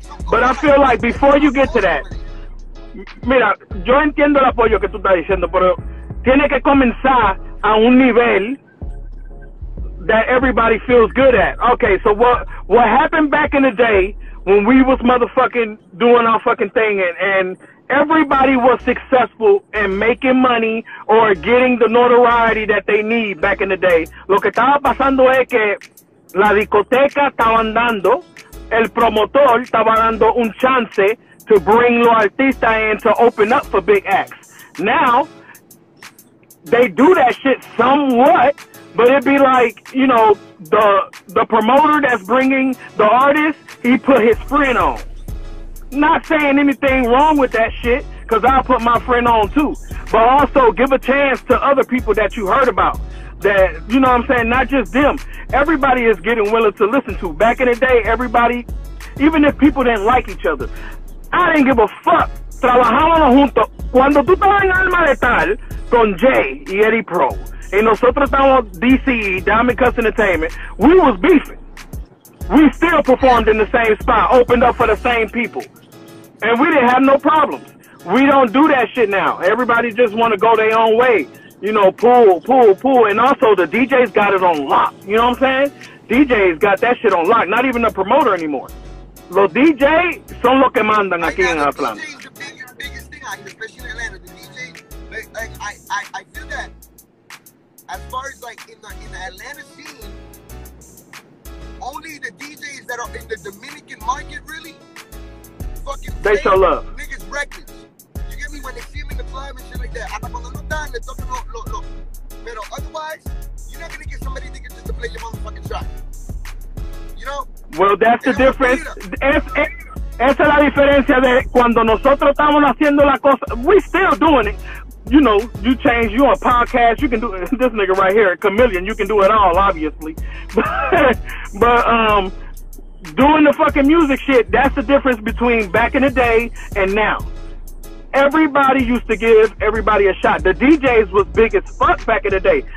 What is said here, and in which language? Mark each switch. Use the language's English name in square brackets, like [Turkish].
[English] But I feel like before you get to that, [Spanish] mira, yo entiendo el apoyo que tú estás diciendo, pero tiene que comenzar a un nivel [English] that everybody feels good at. Okay, so what happened back in the day when we was motherfucking doing our fucking thing and everybody was successful in making money or getting the notoriety that they need back in the day. [Spanish] Lo que estaba pasando es que la discoteca estaba andando. El promotor estaba dando un chance [English] to bring [Spanish] los artistas [English] in to open up for big acts. Now, they do that shit somewhat, but it'd be like, you know, the promoter that's bringing the artist, he put his friend on. Not saying anything wrong with that shit, because I'll put my friend on too. But also give a chance to other people that you heard about. That, you know what I'm saying, not just them. Everybody is getting willing to listen to. Back in the day, everybody, even if people didn't like each other, I didn't give a fuck. [Spanish] Trabajamos juntos. Cuando tú estabas en Alma Letal con Jay y Eddie Pro, y nosotros estábamos DCE, Diamond Cuts Entertainment, [English] we was beefing. We still performed in the same spot, opened up for the same people. And we didn't have no problems. We don't do that shit now. Everybody just want to go their own way. You know, pull. And also, the DJs got it on lock. You know what I'm saying? DJs got that shit on lock. Not even a promoter anymore. [Spanish] Los DJs son los que mandan aquí en Atlanta. [English] The DJs, the biggest thing, especially in Atlanta. The DJs, like, I feel that as far as, like, in the Atlanta scene, only the DJs that are in the Dominican market, really, fucking they show love. Niggas records. When they see him in the club and shit like that, I'm not gonna die, let's talk about look. But otherwise, you're not gonna get somebody to get just to play your motherfucking track. You know? Well, that's the difference. [Spanish] Esa es la diferencia de cuando nosotros estamos haciendo la cosa. [English] We still doing it. You know, you change, you on podcast, you can do this nigga right here, Chameleon, you can do it all, obviously. But doing the fucking music shit, that's the difference between back in the day and now. Everybody used to give everybody a shot. The DJs was big as fuck back in the day.